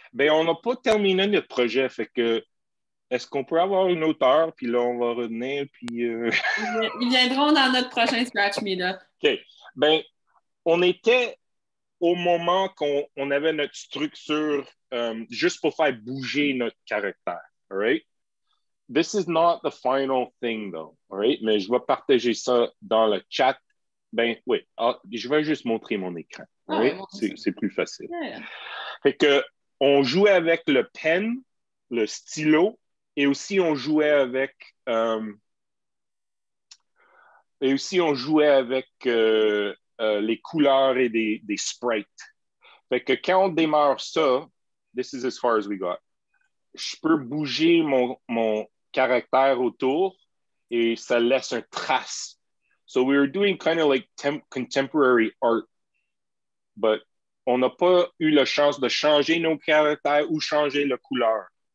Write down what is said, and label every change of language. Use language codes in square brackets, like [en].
[fr] Bien, on n'a pas terminé notre projet, fait que est-ce qu'on peut avoir une autre heure, puis là, on va revenir, puis... Ils viendront dans notre prochain Scratch Meetup. OK. Bien, on était au moment qu'on avait notre structure juste pour faire bouger notre caractère, [en] all right? This is not the final thing, though, all right? [fr] Mais je vais partager ça dans le chat. Bien, oui. Ah, je vais juste montrer mon écran, [en] all right? [fr] C'est plus facile. [en] Yeah. [fr] Fait que on jouait avec le pen, le stylo, et aussi on jouait avec les couleurs et des sprites. Fait que quand on démarre ça, [en] this is as far as we got. [fr] Je peux bouger mon caractère autour et ça laisse un trace. [en] So we were doing kind of like contemporary art, [fr] but on n'a pas eu la chance de changer nos caractères ou changer la couleur.